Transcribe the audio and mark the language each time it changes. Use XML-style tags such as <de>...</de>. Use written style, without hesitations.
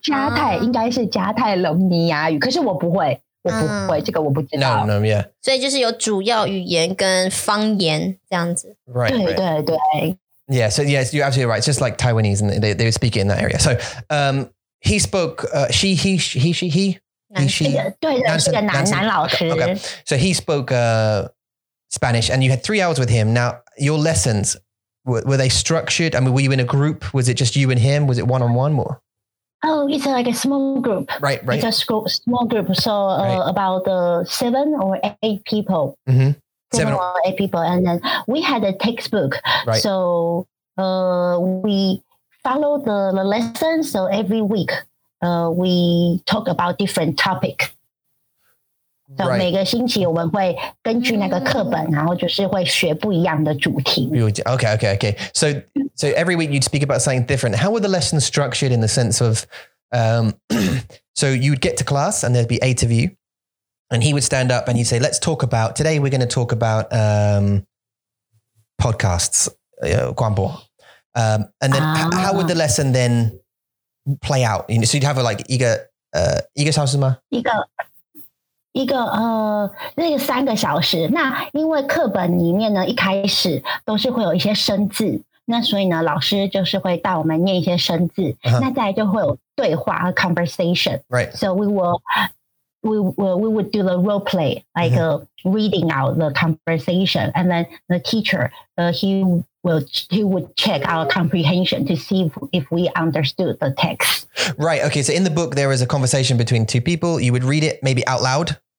<zh>加泰应该是加泰隆尼亚语，可是我不会，这个我不知道。</zh> <en>No, yeah.</en> <zh>所以就是有主要语言跟方言这样子。</zh> <en>Right.</en> <zh>对对对。</zh> <en>Yeah, so yes, you're absolutely right. It's just like Taiwanese, and they speak it in that area. So, he spoke, he,</en> <zh>she, 对的，是个男老师。</zh> <en>Okay, so he spoke, Spanish, and you had 3 hours with him. Now, your lessons, were they structured? I mean, were you in a group? Was it just you and him? Was it one-on-one more? Oh, it's like a small group. Right. It's a small group. So about seven or eight people. Mm-hmm. Seven or eight people. And then we had a textbook. Right. So we follow the lessons. So every week, we talk about different topics. So, right.</en> <zh>每个星期我们会根据那个课本、mm. 然后就是会学不一样的主题。</zh> <en>Okay. So every week you'd speak about something different. How were the lessons structured in the sense of, so you'd get to class and there'd be eight of you and he would stand up and you'd say, let's talk about, today we're going to talk about podcasts, 广播. And then how would the lesson then play out? You know, so you'd have like 一个小时吗?</en> <zh>一个那个三个小时，那因为课本里面呢，一开始都是会有一些生字，那所以呢，老师就是会带我们念一些生字，</zh> <en>uh-huh.</en> <zh>那再来就会有对话 conversation，</zh> <en>right？ So we would do the role play like、uh-huh. reading out the conversation， and then the teacher he would check our comprehension to see if we understood the text. Right. Okay. So in the book, there is a conversation between two people. You would read it maybe out loud.</en>